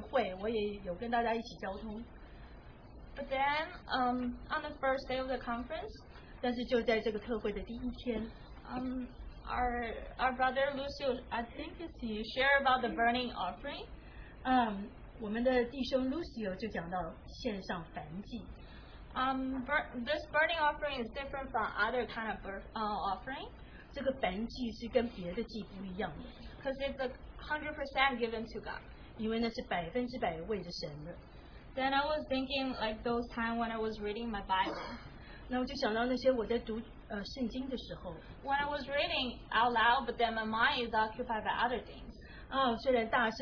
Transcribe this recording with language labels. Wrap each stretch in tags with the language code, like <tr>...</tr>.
<zh>那我就想说，哦，每一天我都有读主的话，那我也在饭前有祷告，我星期五晚上也有来聚会，我也有跟大家一起交通.</zh> <en>But then, on the first day of the conference,</en> <zh>但是就在这个特会的第一天,</zh> <en>our brother Lucio, I think it's he, shared about the burning offering.</en> <zh>我们的弟兄 Lucio 就讲到献上燔祭.</zh> <en>This burning offering is different from other kind of offering.</en> <zh>这个燔祭是跟别的祭不一样的.</zh> <en>Because it's 100% given to God.</en> <zh>因为那是100%为着神的.</zh> <en>Then I was thinking like those times when I was reading my Bible.</en> <zh>那我就想到那些我在读圣经的时候。</zh> <en>When I was reading out loud, but then my mind is occupied by other things.</en>